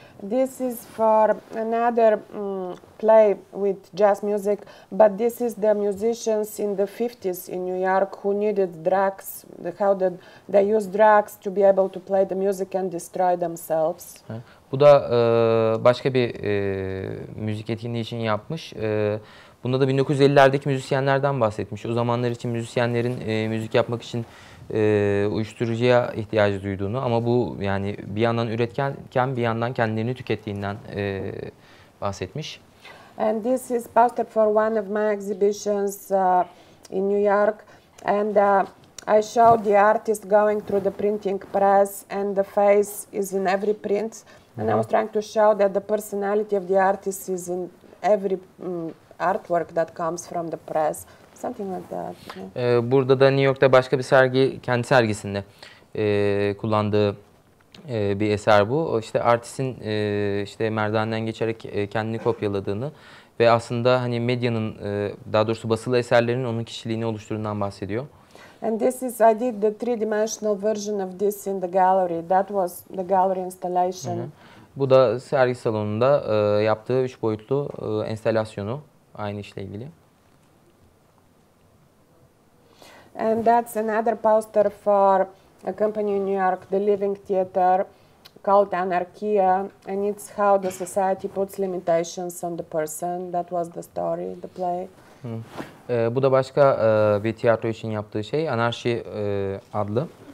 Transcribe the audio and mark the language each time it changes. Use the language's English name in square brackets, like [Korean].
[English] This is for another play with jazz music, but this is the musicians in the 50s in New York who needed drugs, how did they use drugs to be able to play the music and destroy themselves. [Turkish] Bu da başka bir müzik etkinliği için yapmış. Bunda da 1950'lerdeki müzisyenlerden bahsetmiş. O zamanlar için müzisyenlerin müzik yapmak için uyuşturucuya ihtiyacı duyduğunu ama bu yani bir yandan üretken bir yandan kendilerini tükettiğinden bahsetmiş. [English] And this is poster for one of my exhibitions in New York and I show the artist going through the printing press and the face is in every print and I was trying to show that the personality of the artist is in every artwork that comes from the press, something like that. [Turkish] Burada da New York'ta başka bir sergi, kendi sergisinde kullandığı bir eser bu. İşte artistin işte merdivenden geçerek kendini kopyaladığını ve aslında hani medyanın daha doğrusu basılı eserlerin onun kişiliğini oluşturduğundan bahsediyor. [English] And this is I did the three-dimensional version of this in the gallery. That was the gallery installation. [Turkish] Bu da sergi salonunda yaptığı üç boyutlu enstalasyonu. Aynı işle ilgili. [English] And that's another poster for a company in New York, the Living Theater, called Anarchia, and it's how the society puts limitations on the person. That was the story, the play. [Turkish] Bu da başka bir tiyatro için yaptığı şey, Anarşi adlı